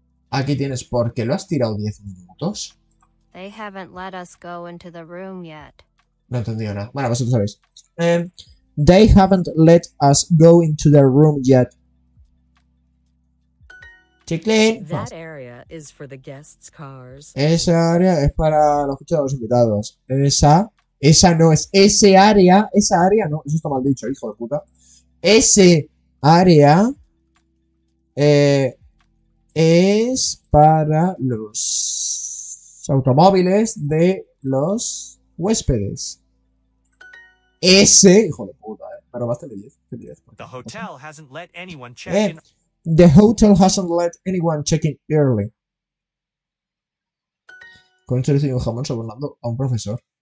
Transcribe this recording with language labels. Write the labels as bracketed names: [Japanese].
[Spanish] Aquí tienes por qué lo has tirado 10 minutos. [English] They haven't let us go into the room yet. [Spanish] No he entendido nada. Bueno, vosotros sabéis. [English] They haven't let us go into the room yet. Chiclin. That area is for the guests' cars. [Spanish] Esa área es para los coches de los invitados. Esa no es. Esa área no. Eso está mal dicho, hijo de puta. Ese área es para los automóviles de los huéspedes. Ese, hijo de puta, pero basta de 10. [English] The hotel hasn't let anyone check in. The hotel hasn't let anyone check in early. [Spanish] Con esto recibí un jamón sobornando a un profesor.